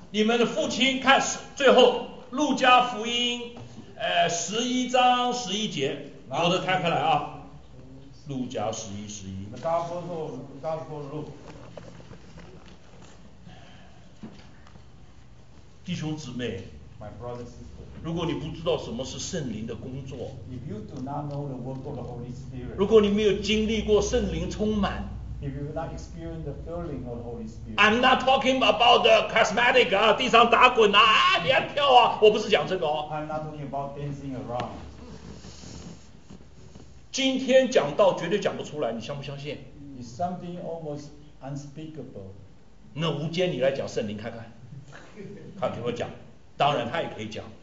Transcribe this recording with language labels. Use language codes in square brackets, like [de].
[zh] 你们的父亲看最后《路加福音》十一章十一节，有的摊开来啊，《路加十一十一》。 [en] The Gospel of Luke。 [zh] 弟兄姊妹 [en] My brother, sister, [zh] 如果你不知道什么是圣灵的工作 [en] If you do not know the work of the Holy Spirit, [zh] 如果你没有经历过圣灵充满 [en] If you not experience the filling of the Holy Spirit, I'm not talking about the charismatic [zh] 啊地上打滚啊你要跳啊我不是讲这个哦 [en] I'm not talking about dancing around [zh] 今天讲到绝对讲不出来你相不相信 [en] It's something almost unspeakable [zh] 那无间你来讲圣灵看看他给我讲，当然他也可以讲。